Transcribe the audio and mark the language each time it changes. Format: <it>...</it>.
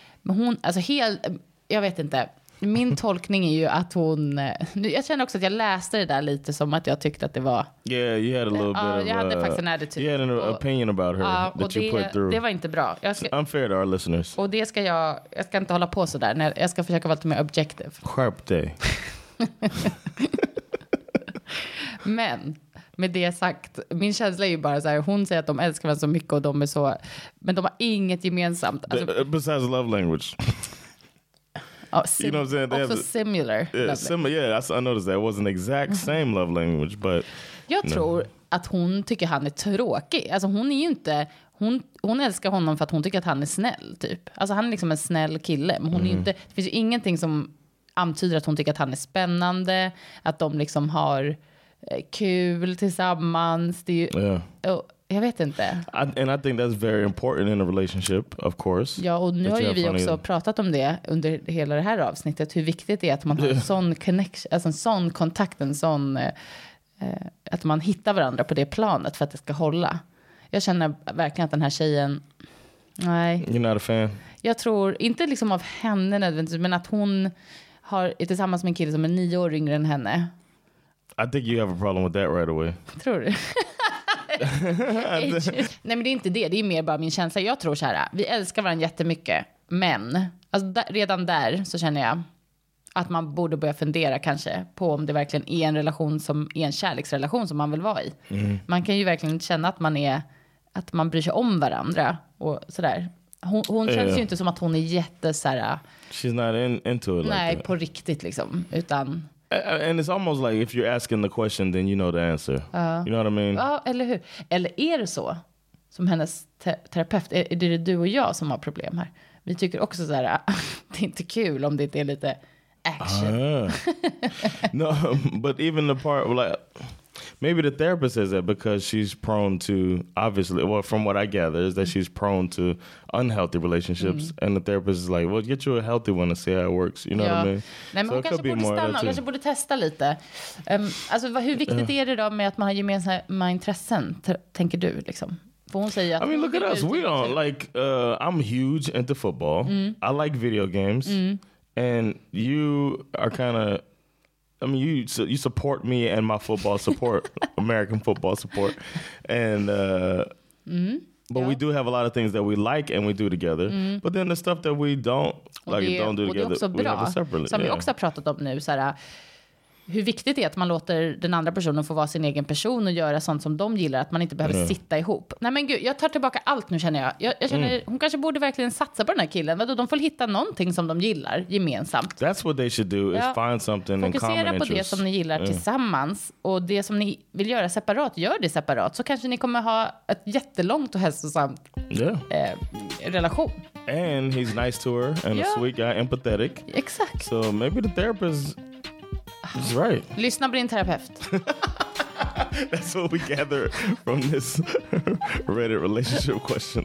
<sv>Men hon, alltså helt, jag vet inte. Min tolkning är ju att hon... Jag känner också att jag läste det där lite som att jag tyckte att det var...</sv> <en>Yeah, you had a little bit of...</en> <sv>Jag hade faktiskt en attitude.</sv> <en>You had an opinion about her that you put through.</en> <sv>Det var inte bra.</sv> <en>Unfair to our listeners.</en> <sv>Och det ska jag... Jag ska inte hålla på så där. Jag ska försöka vara lite mer objective. Skärp dig. Men, med det sagt... Min känsla är ju bara så här... Hon säger att de älskar mig så mycket och de är så... Men de har inget gemensamt. Alltså,</sv> <en>besides love language. You know what I'm saying? They also have similar. I noticed that. It wasn't exact same love language, but...</en> <sv>Jag tror att hon tycker han är tråkig. Alltså hon är ju inte... Hon älskar honom för att hon tycker att han är snäll, typ. Alltså han är liksom en snäll kille. Men hon är ju inte... Det finns ju ingenting som antyder att hon tycker att han är spännande. Att de liksom har kul tillsammans. Det är ju... Jag vet inte.</sv> <en>And I think that's very important in a relationship, of course.</en> <sv>Ja, och nu har ju vi också pratat om det under hela det här avsnittet. Hur viktigt det är att man har en sån connection, alltså en sån kontakt, en sån... att man hittar varandra på det planet för att det ska hålla. Jag känner verkligen att den här tjejen... Nej.</sv> <en>You're not a fan.</en> <sv>Jag tror, inte liksom av henne nödvändigtvis, men att hon har tillsammans med en kille som är 9 år yngre än henne.</sv> <en>I think you have a problem with that right away.</en> <sv>Tror du? Nej, men det är inte det. Det är mer bara min känsla. Jag tror så här, vi älskar varandra jättemycket. Men alltså, redan där så känner jag att man borde börja fundera kanske på om det verkligen är en relation som är en kärleksrelation som man vill vara i. Man kan ju verkligen känna att man är, att man bryr sig om varandra och så där. Hon känns ju inte som att hon är jätte så här,</sv> <en>she's not into it.</en> <sv>Nej, like på riktigt liksom, utan...</sv> <en>And it's almost like if you're asking the question, then you know the answer. You know what I mean? Ja, eller hur? Eller är det så, som hennes terapeut, är det du och jag som har problem här? Vi tycker också så här, det är inte kul om det inte är lite action. No, but even the part of like, maybe the therapist says that because she's prone to, obviously, well, from what I gather, is that she's prone to unhealthy relationships. Mm. And the therapist is like, well, get you a healthy one and see how it works. You know what I mean?</en> <sv>Nej, men so hon kanske borde stanna. Hon kanske borde testa lite. Hur viktigt är det då med att man har gemensamma intressen, tänker du, liksom? För hon säger att...</sv> <en>I mean, look at us. We don't, like, I'm huge into football. I like video games. And you are kind of... I mean, you support me and my football support, American football support, and but we do have a lot of things that we like and we do together. Mm. But then the stuff that we don't like</en> <sv>det,</sv> <en>don't do together,</en> <sv>det</sv> <en>we have it separately.</en> <sv>Som vi också har pratat om nu, så här, hur viktigt det är att man låter den andra personen få vara sin egen person och göra sånt som de gillar, att man inte behöver sitta ihop. Nej, men gud, jag tar tillbaka allt nu, känner jag. Jag känner, hon kanske borde verkligen satsa på den här killen. Vadå, de får hitta någonting som de gillar gemensamt.</sv> <en>That's what they should do, is find something in common.</en> <sv>Fokusera på det som ni gillar tillsammans, och det som ni vill göra separat, gör det separat. Så kanske ni kommer ha ett jättelångt och hälsosamt relation.</sv> <en>And he's nice to her and a sweet guy, empathetic.</en> <sv>Exakt.</sv> <en>So maybe the therapist is right.</en> <sv>Lyssna på din terapeut.</sv> <en>That's what we gather from this Reddit relationship question.</en>